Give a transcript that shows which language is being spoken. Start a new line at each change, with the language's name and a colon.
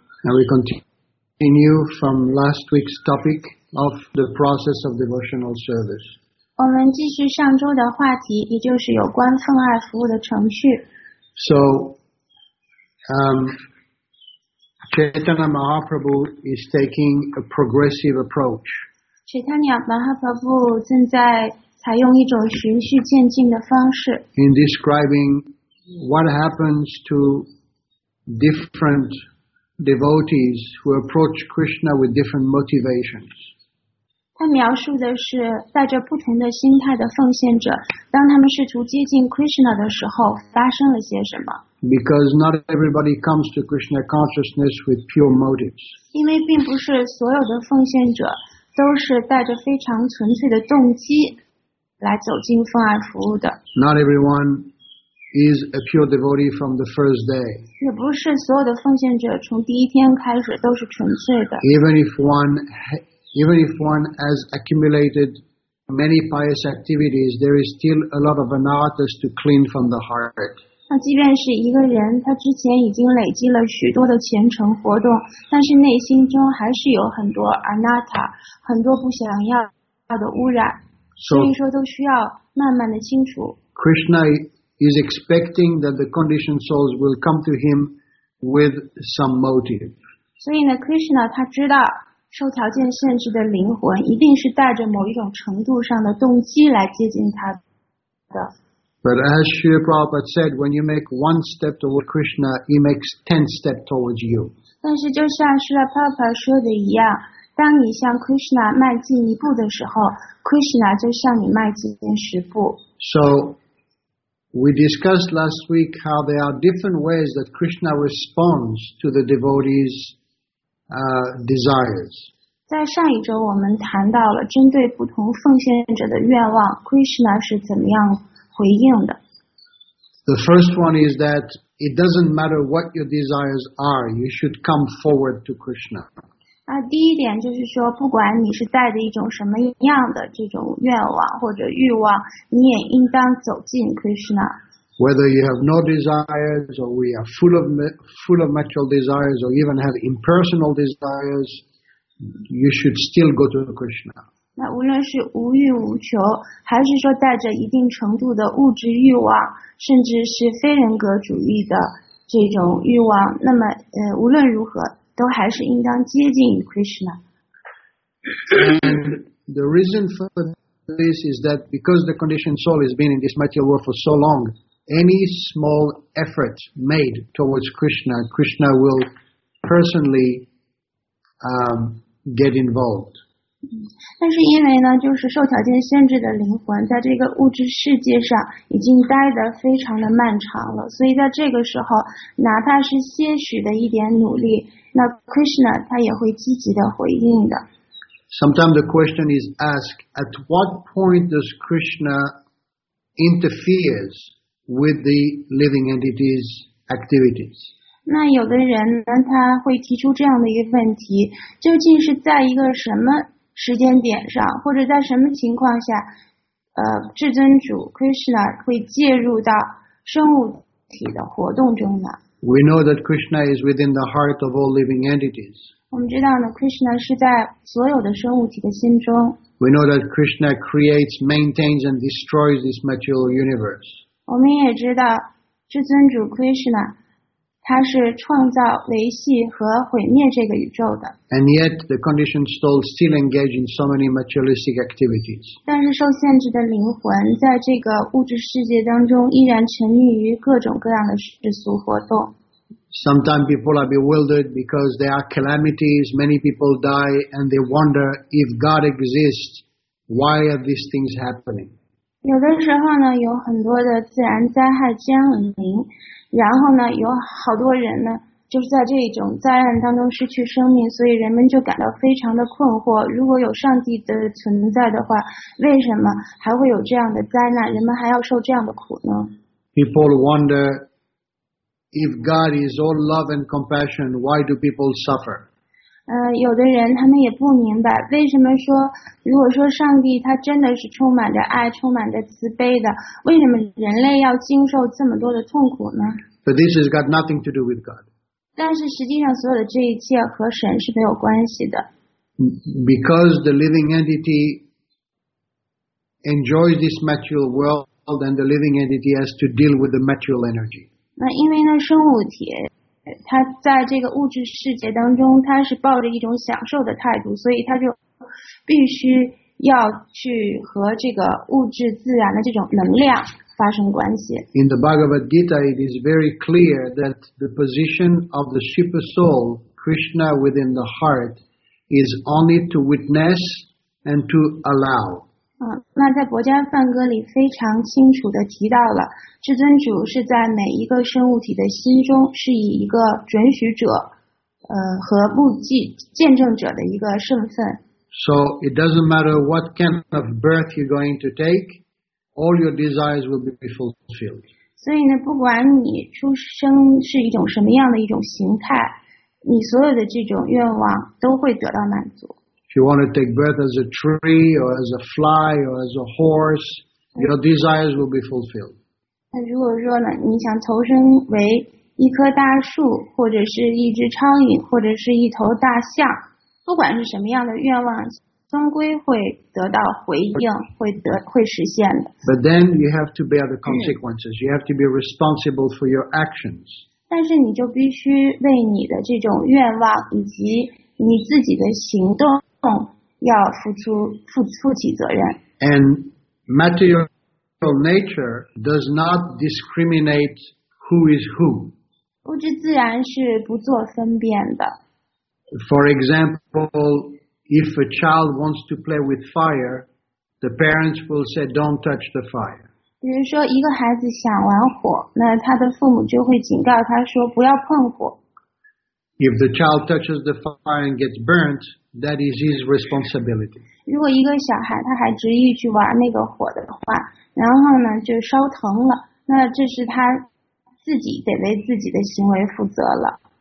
English: And we continue from last week's topic of the process of devotional service.
Chinese: 我们继续上周的话题，也就是有关奉爱服务的程序。
English: So, Chaitanya Mahaprabhu is taking a progressive approach.
Chinese: Chaitanya Mahaprabhu 正在采用一种循序渐进的方式。
English: In describing what happens to different devotees who approach Krishna with different motivations.
Chinese: 他描述的是带着不同的心态的奉献者，当他们试图接近 Krishna 的时候发生了些什么。
English: Because not everybody comes to Krishna consciousness with pure motives.
Chinese: 因为并不是所有的奉献者都是带着非常纯粹的动机来走进奉爱服务的。
English: Not everyone is a pure devotee from the first day.
Chinese: 也不是所有的奉献者从第一天开始都是纯粹的。
English: Even if one has accumulated many pious activities, there is still a lot of anarthas to clean from the heart.
Chinese: 那即便是一个人，他之前已经累积了许多的虔诚活动，但是内心中还是有很多 anatta， 很多不想要的污染，所以说都需要慢慢的清除。
English: Krishna is expecting that the conditioned souls will come to him with some motive.
Chinese: 所以呢 ，Krishna 他知道。受条件限制的灵魂一定是带着某一种程度上的动机来接近他的。
English: But as Srila Prabhupada said, when you make one step toward Krishna, he makes 10 steps towards you.
Chinese: 但是就像 Srila Prabhupada 说的一样，当你向 Krishna 迈进一步的时候， Krishna 就向你迈进10步。
English: So we discussed last week how there are different ways that Krishna responds to the devotees'desires.
Chinese: 在上一周我们谈到了针对不同奉献者的愿望 ,Krishna 是怎么样回应的。
English: The first one is that it doesn't matter what your desires are, you should come forward to Krishna.
Chinese: 那第一点就是说不管你是带着一种什么样的这种愿望或者欲望，你也应当走进 Krishna。
English: Whether you have no desires, or we are full of material desires, or even have impersonal desires, you should still go to Krishna.
Chinese: 那无论是无欲无求，还是说带着一定程度的物质欲望，甚至是非人格主义的这种欲望，那么无论如何，都还是应当接近 Krishna.
English: And the reason for this is that because the conditioned soul has been in this material world for so long. Any small effort made towards Krishna, Krishna will personally get involved.
Chinese: 但是因为呢，就是受条件限制的灵魂在这个物质世界上已经待得非常的漫长了，所以在这个时候，哪怕是些许的一点努力，那 Krishna 他也会积极的回应的。
English: Sometimes the question is asked: At what point does Krishna interferes? with the living entity's activities.
Chinese: 那有的人呢，他会提出这样的一个问题，究竟是在一个什么时间点上，或者在什么情况下，至尊主 Krishna 会介入到生物体的活动中呢？
English: We know that Krishna is within the heart of all living entities.
Chinese: 我们知道呢， Krishna 是在所有的生物体的心中。
English: We know that Krishna creates, maintains, and destroys this material universe.
Chinese: 我们也知道至尊主 Krishna 他是创造、维系和毁灭这个宇宙的。
English: And yet, the conditioned soul still engages in so many materialistic activities.
Chinese: 但是受限制的灵魂在这个物质世界当中依然沉溺于各种各样的世俗活动。
English: Sometimes people are bewildered because there are calamities, many people die, and they wonder if God exists, why are these things happening?
Chinese: 有的时候呢，有很多的自然灾害降临，然后呢，有好多人呢，就是在这种灾难当中失去生命，所以人们就感到非常的困惑，如果有上帝的存在的话，为什么还会有这样的灾难，人们还要受这样的苦呢？
English: People wonder,If God is all love and compassion, why do people suffer?
Chinese: 有的人他们也不明白为什么说如果说上帝他真的是充满着爱充满着慈悲的为什么人类要经受这么多的痛苦呢
English: But this has got nothing to do with God.
Chinese: 但是实际上所有的这一切和神是没有关系的。
English: Because the living entity enjoys this material world and the living entity has to deal with the material energy.
Chinese: 那因为呢，生物体它在这个物质世界当中，它是抱着一种享受的态度，所以它就必须要去和这个物质自然的这种能量发生关系。
English: In the Bhagavad Gita, it is very clear that the position of the super soul, Krishna within the heart, is only to witness and to allow.
Chinese: 那在《薄伽梵歌》里非常清楚地提到了，至尊主是在每一个生物体的心中，是以一个准许者，和目击见证者的一个身份。
English: So it doesn't matter what kind of birth you're going to take, all your desires will be fulfilled.
Chinese: 所以呢，不管你出生是一种什么样的一种形态，你所有的这种愿望都会得到满足。
English: If you want to take birth as a tree or as a fly or as a horse, your desires will be fulfilled.
Chinese: 那如果说呢，你想投身为一棵大树，或者是一只苍蝇，或者是一头大象，不管是什么样的愿望，终归会得到回应，会实现的。
English: But then you have to bear the consequences. You have to be responsible for your actions.
Chinese: 但是你就必须为你的这种愿望以及你自己的行动。要负起责任。
English: And material nature does not discriminate who is who.
Chinese: 物质自然是不做分辨的。
English: For example, if a child wants to play with fire, the parents will say, "Don't touch the fire."
Chinese: 比如说，一个孩子想玩火，那他的父母就会警告他说，不要碰火。
English: If the child touches the fire and gets burnt, that is his responsibility.
Chinese: 如果一个小孩他还执意去玩那个火的话，然后呢就烧疼了，那这是他自己得为自己的行为负责了。